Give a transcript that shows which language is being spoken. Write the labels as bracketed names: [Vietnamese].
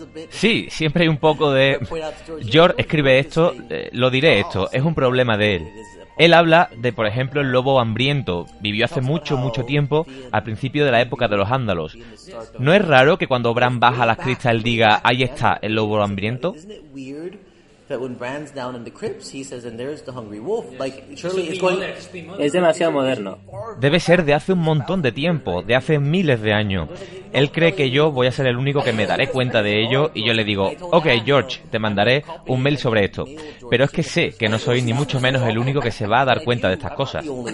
[Spanish] Sí, siempre hay un poco de... George escribe esto, lo diré esto, es un problema de él. Él habla de, por ejemplo, el lobo hambriento. Vivió hace mucho, mucho tiempo, al principio de la época de los Andalos. ¿No es raro que cuando Bran baja las cristas él diga: ahí está, el lobo hambriento? [English] that when Bran's down in the crypts, he says, and there's the hungry wolf. Yes. Like, surely it's going. [Spanish] Es demasiado moderno. Debe ser de hace un montón de tiempo, de hace miles de años. Él cree que yo voy a ser el único que me daré cuenta de ello y yo le digo, ok, George, te mandaré un mail sobre esto. Pero es que sé que no soy ni mucho menos el único que se va a dar cuenta de estas cosas.